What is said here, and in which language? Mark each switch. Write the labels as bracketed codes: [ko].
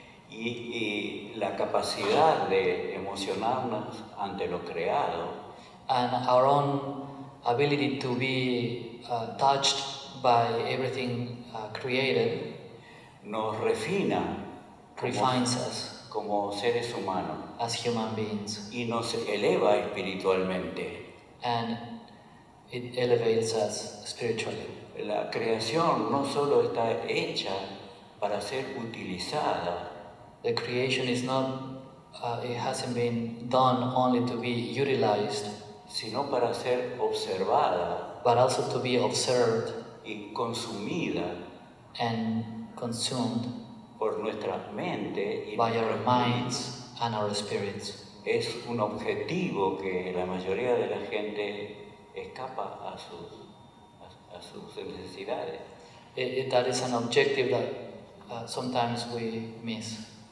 [es] Y la capacidad de emocionarnos ante lo creado, [en] and our own ability to be touched by everything created, [es] nos refina, [en] refines us [es] como seres humanos, [en] as human beings, [es] y nos eleva espiritualmente, [en] and it elevates us spiritually. [es] La creación no solo está hecha para ser utilizada, [en] the creation is not it hasn't been done only to be utilized, [es] sino para ser observada, [en] but also to be observed, [es] y consumida, [en] and consumed, [es] por nuestra mente y [en] by our minds and our spirits. [es] Es un objetivo que la mayoría de la gente escapa a sus necesidades. [en] That is an objective that sometimes we miss.